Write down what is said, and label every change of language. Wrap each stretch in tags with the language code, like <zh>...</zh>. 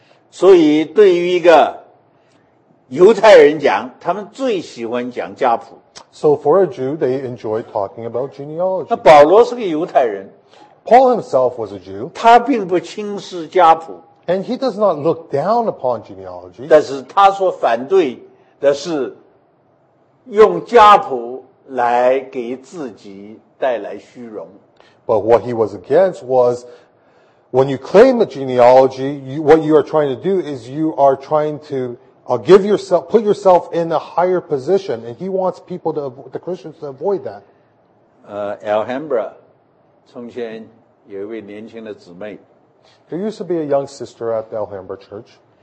<zh>所以对于一个犹太人讲，他们最喜欢讲家谱。</zh> <en>So for a Jew, they enjoy talking about genealogy.</en> <zh>那保罗是个犹太人。</zh> <en>Paul himself was a Jew.</en> <zh>他并不轻视家谱。</zh> <en>And he does not look down upon genealogy.</en> <zh>但是他所反对的是用家谱来给自己带来虚荣。</zh> <en>But what he was against was when you claim a genealogy, what you are trying to do is you are trying to put yourself in a higher position, and he wants people to, the Christians to avoid that.</en> <zh>Alhambra, 从前有一位年轻的姊妹。</zh> <en>There used to be a young sister at the Alhambra Church.</en>